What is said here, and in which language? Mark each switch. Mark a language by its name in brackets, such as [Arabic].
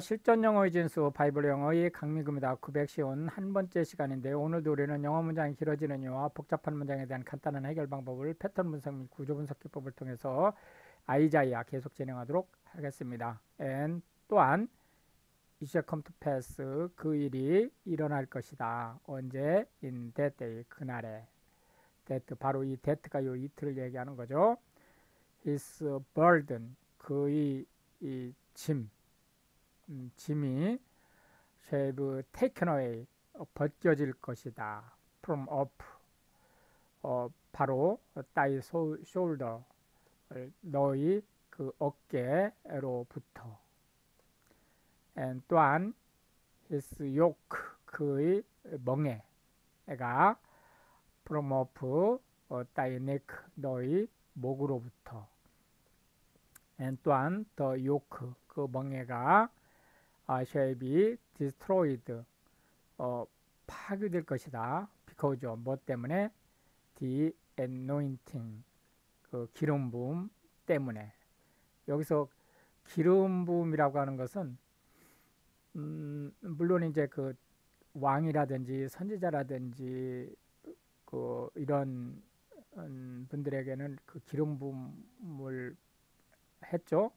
[Korean] 실전 영어의 진수 바이블 영어의 강민구입니다. 900시온 한 번째 시간인데 오늘도 우리는 영어 문장이 길어지는 이유와 복잡한 문장에 대한 간단한 해결 방법을 패턴 분석 및 구조 분석 기법을 통해서 아이자이아 계속 진행하도록 하겠습니다. [English] And 또한 it shall come to pass [Korean] 그 일이 일어날 것이다. 언제? [English] In that day 그날에. [Korean] That 바로 이 that가 요 이틀을 얘기하는 거죠. [English] His burden [Korean] 그의 이짐 짐이 [English] shall be taken away, [Korean] 벗겨질 것이다. [English] From off, 바로 thy shoulder, [Korean] 너의 그 어깨로부터. [English] And 또한 his yoke, [Korean] 그의 멍에가 [English] from off, thy neck, [Korean] 너의 목으로부터. [English] And 또한 the yoke, [Korean] 그 멍에가 [English] shall be destroyed, [Korean] 파괴될 것이다. Because of, 뭐 때문에? [English] The anointing, [Korean] 그 기름 부음 때문에. 여기서 기름 부음이라고 하는 것은, 물론 이제 그 왕이라든지 선지자라든지, 그 이런 분들에게는 그 기름 부음을 했죠.